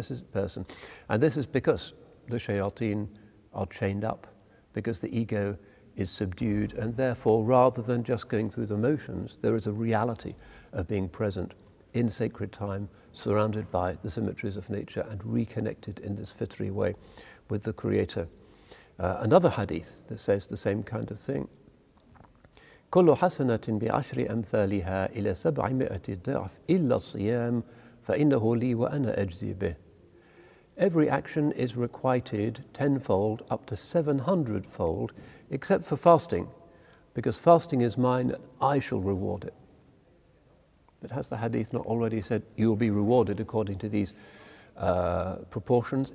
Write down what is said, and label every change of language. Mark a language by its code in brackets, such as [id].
[en] This is because the shayateen are chained up, because the ego is subdued, and therefore, rather than just going through the motions, there is a reality of being present in sacred time, surrounded by the symmetries of nature and reconnected in this fitri way with the Creator. Another hadith that says the same kind of thing. [ar] كل حسنة بعشر أمثالها إلى سبعمائة ضعف إلا الصيام فإنه لي وأنا أجزي به. [en] Every action is requited tenfold up to 700-fold, except for fasting, because fasting is mine and I shall reward it. But has the hadith not already said you will be rewarded according to these proportions?